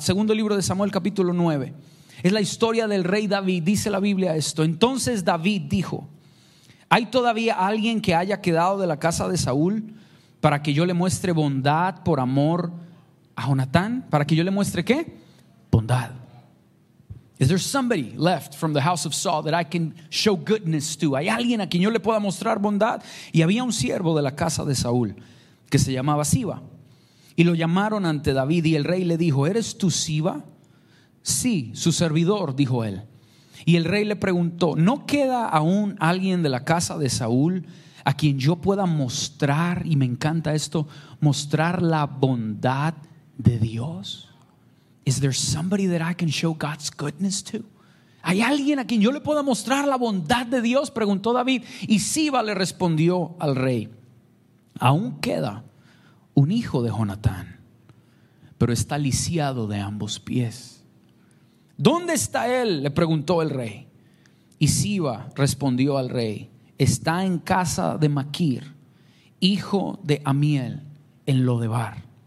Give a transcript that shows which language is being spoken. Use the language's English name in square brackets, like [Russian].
[Spanish] Segundo libro de Samuel capítulo 9. Es la historia del rey David. Dice la Biblia esto: entonces David dijo: ¿hay todavía alguien que haya quedado de la casa de Saúl para que yo le muestre bondad por amor a Jonatán? ¿Para que yo le muestre qué? Bondad. [English] Is there somebody left from the house of Saul that I can show goodness to? [Spanish] ¿Hay alguien a quien yo le pueda mostrar bondad? Y había un siervo de la casa de Saúl que se llamaba Siba. Y lo llamaron ante David y el rey le dijo: ¿eres tú Siba? Sí, su servidor, dijo él. Y el rey le preguntó: ¿no queda aún alguien de la casa de Saúl a quien yo pueda mostrar, y me encanta esto, mostrar la bondad de Dios? [English] Is there somebody that I can show God's goodness to? [Spanish] ¿Hay alguien a quien yo le pueda mostrar la bondad de Dios? Preguntó David. Y Siba le respondió al rey: aún queda un hijo de Jonatán, pero está lisiado de ambos pies. ¿Dónde está él? Le preguntó el rey. Y Siba respondió al rey: está en casa de Maquir, hijo de Amiel, en Lodebar.